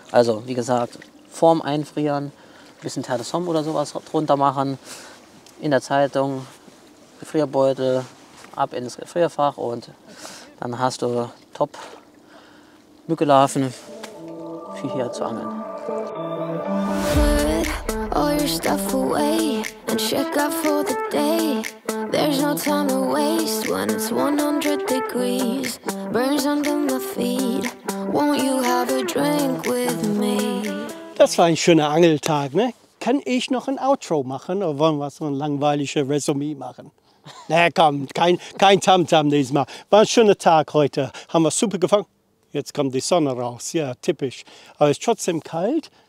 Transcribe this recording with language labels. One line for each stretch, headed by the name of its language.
German: Also wie gesagt, vorm Einfrieren, ein bisschen Terre des Hommes oder sowas drunter machen, in der Zeitung, Gefrierbeutel, ab ins Gefrierfach und dann hast du top Mückenlarven für hier zu angeln.
English: Put all your stuff away and check out for the day. There's no time to waste when it's 100 degrees. Burns under my feet. Won't you have a drink with me?
German: Das war ein schöner Angeltag, ne? Kann ich noch ein Outro machen oder wollen wir so ein langweiliges Resümee machen? Na komm, kein Tamtam diesmal. War ein schöner Tag heute. Haben wir super gefangen. Jetzt kommt die Sonne raus. Ja, typisch. Aber es ist trotzdem kalt.